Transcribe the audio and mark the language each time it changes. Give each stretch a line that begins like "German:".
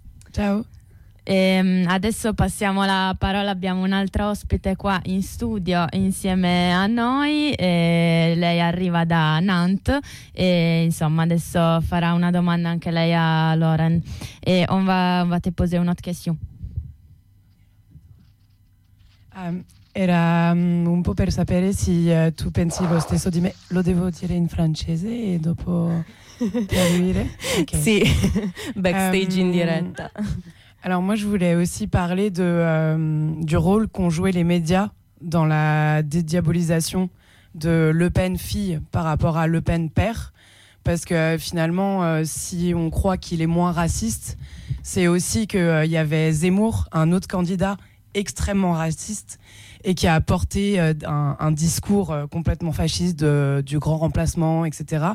Italian: Ciao. Adesso passiamo la parola, abbiamo un altro ospite qua in studio insieme a noi, e lei arriva da Nantes e insomma adesso farà una domanda anche lei a Lauren. E
French: on va te poser une autre question.
Italian: Era un po' per sapere se tu pensi lo stesso di me. Lo devo dire in francese e dopo traduire? Okay. Sì, backstage in diretta.
French: Alors moi, je voulais aussi parler du rôle qu'ont joué les médias dans la dédiabolisation de Le Pen fille par rapport à Le Pen père. Parce que finalement, si on croit qu'il est moins raciste, c'est aussi qu'il y avait Zemmour, un autre candidat extrêmement raciste et qui a apporté un discours complètement fasciste du grand remplacement, etc.